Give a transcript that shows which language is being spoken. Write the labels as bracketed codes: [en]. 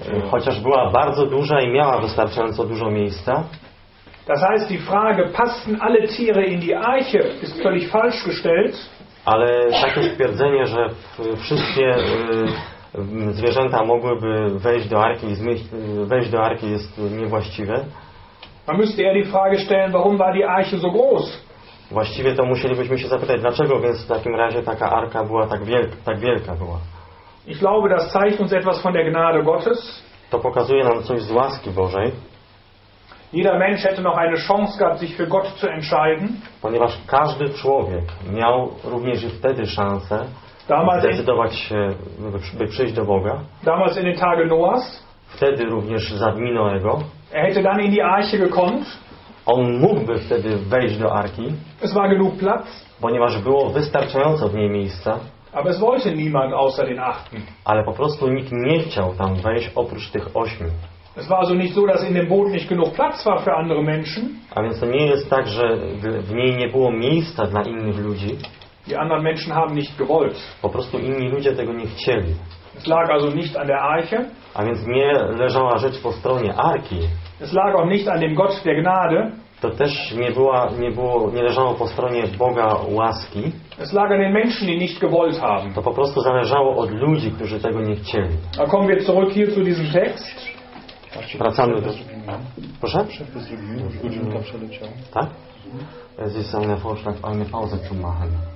[pl] Chociaż była bardzo duża i miała wystarczająco dużo miejsca. [de] Das heißt, die Frage, passten alle Tiere in die Arche, ist völlig falsch gestellt. [pl] Ale takie stwierdzenie, że wszystkie zwierzęta mogłyby wejść do Arki, jest niewłaściwe. [de] Man müsste eher die Frage stellen, warum war die Arche so groß? [pl] Właściwie to musielibyśmy się zapytać, dlaczego więc w takim razie taka Arka była tak wielka? [de] Ich glaube, das zeigt uns etwas von der Gnade Gottes. [pl] To pokazuje nam coś z łaski Bożej. [de] Jeder Mensch hätte noch eine Chance gehabt, sich für Gott zu entscheiden. [pl] Ponieważ każdy człowiek miał również i wtedy szansę zdecydować się, by przyjść do Boga. [de] Damals in den Tagen Noahs. [pl] Wtedy również za dni Noego. [de] Er hätte dann in die Arche gekommen. [pl] On mógłby wtedy wejść do Arki. [de] Es war genug Platz. [pl] Ponieważ było wystarczająco w niej miejsca. [de] Aber es wollte niemand außer den Achten. [pl] Ale po prostu nikt nie chciał tam wejść oprócz tych ośmiu. [de] Es war also nicht so, dass in dem Boot nicht genug Platz war für andere Menschen. [pl] A więc to nie jest tak, że w niej nie było miejsca dla innych ludzi. [de] Die anderen Menschen haben nicht gewollt. [pl] Po prostu inni ludzie tego nie chcieli. [de] Es lag also nicht an der Arche. [pl] A więc nie leżała rzecz po stronie Arki. [de] Es lag auch nicht an dem Gott der Gnade. [pl] To też nie leżało po stronie Boga łaski. [de] Es lag an den Menschen, die nicht gewollt haben. [pl] To po prostu zależało od ludzi, którzy tego nie chcieli. [de] A kommen wir zurück hier zu diesem Text. [pl] Wracamy do... Proszę? Godzinka przeleciała. [de] Tak? Es ist eine Vorschlag, eine Pause zu machen.